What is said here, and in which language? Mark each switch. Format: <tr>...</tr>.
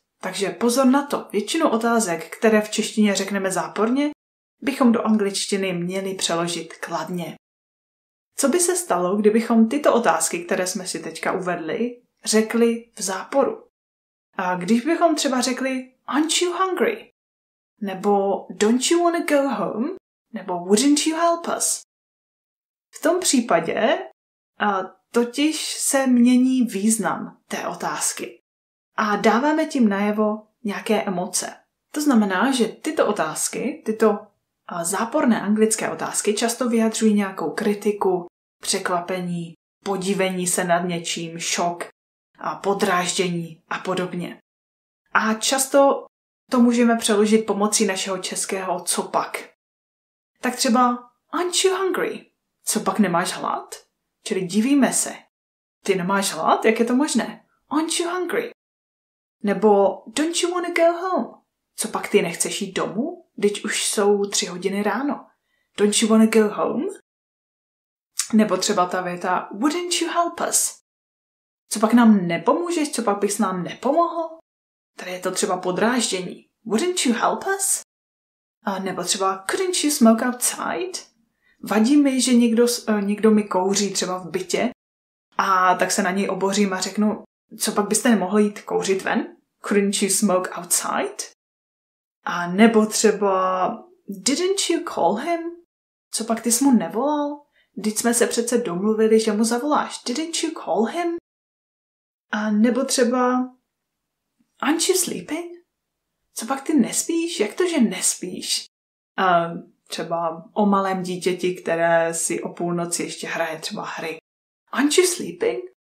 <cs>Takže pozor na to, většinu otázek, které v češtině řekneme záporně, bychom do angličtiny měli přeložit kladně. Co by se stalo, kdybychom tyto otázky, které jsme si teďka uvedli, řekli v záporu? A když bychom třeba řekli,</cs> <en>aren't you hungry? Nebo don't you want to go home? Nebo wouldn't you help us?</en> <cs>V tom případě totiž se mění význam té otázky. A dáváme tím najevo nějaké emoce. To znamená, že tyto otázky, tyto záporné anglické otázky, často vyjadřují nějakou kritiku, překvapení, podívení se nad něčím, šok, podráždění a podobně. A často to můžeme přeložit pomocí našeho českého copak. Tak třeba,</cs> <en>aren't you hungry?</en> <cs>Copak nemáš hlad? Čili divíme se. Ty nemáš hlad? Jak je to možné?</cs> <en>Aren't you hungry? Nebo don't you want to go home?</en> <cs>Co pak ty nechceš jít domů? Teď už jsou 3 hodiny ráno.</cs> <en>Don't you want to go home?</en> <cs>Nebo třeba ta věta</cs> <en>wouldn't you help us?</en> <cs>Co pak nám nepomůžeš? Co pak bys nám nepomohl? Tady je to třeba podráždění.</cs> <en>Wouldn't you help us?</en> <cs>A nebo třeba</cs> <en>couldn't you smoke outside?</en> <cs>Vadí mi, že někdo mi kouří třeba v bytě a tak se na něj obořím a řeknu, co pak byste nemohli jít kouřit ven?</cs> <en>Couldn't you smoke outside?</en> <cs>A nebo třeba</cs> <en>didn't you call him?</en> <cs>Co pak ty jsi mu nevolal? Vždyť jsme se přece domluvili, že mu zavoláš.</cs> <en>Didn't you call him?</en> <cs>A nebo třeba</cs> <en>aren't you sleeping?</en> <cs>Co pak ty nespíš? Jak to, že nespíš? A třeba o malém dítěti, které si o půlnoci ještě hraje třeba hry.</cs> <en>Aren't you sleeping?</en>